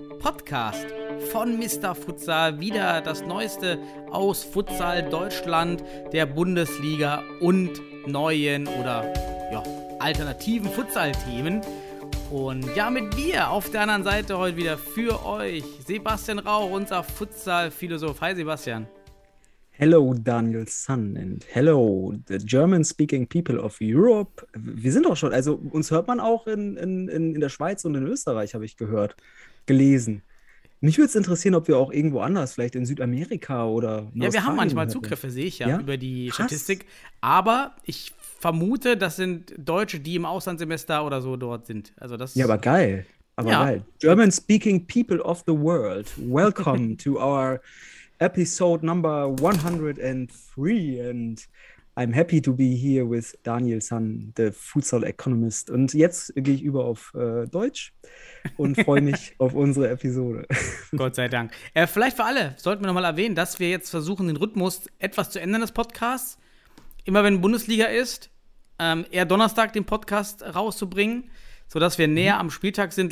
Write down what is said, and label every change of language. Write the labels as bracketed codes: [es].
[de] Podcast von Mr. Futsal. Wieder das Neueste aus Futsal Deutschland, der Bundesliga und neuen oder ja, alternativen Futsal-Themen. Und ja, mit mir auf der anderen Seite heute wieder für euch Sebastian Rauch, unser Futsal-Philosoph. Hi Sebastian. [en] Hello Daniel Sun and hello the German-speaking people of Europe. [de] Wir sind auch schon, also uns hört man auch in der Schweiz und in Österreich, habe ich gehört, gelesen. Mich würde es interessieren, ob wir auch irgendwo anders, vielleicht in Südamerika oder in Australien. Ja, wir haben manchmal hätten. Zugriffe, sehe ich ja, ja? über die Krass. Statistik. Aber ich vermute, das sind Deutsche, die im Auslandssemester oder so dort sind. Also das. Ja, aber geil. [en] German-speaking people of the world, welcome to our episode number 103 and I'm happy to be here with Daniel Sun, the Futsal Economist. [de] Und jetzt gehe ich über auf Deutsch und freue mich auf unsere Episode. Gott sei Dank. Vielleicht für alle sollten wir nochmal erwähnen, dass wir jetzt versuchen, den Rhythmus etwas zu ändern des Podcasts. Immer wenn Bundesliga ist, eher Donnerstag den Podcast rauszubringen, sodass wir näher am Spieltag sind.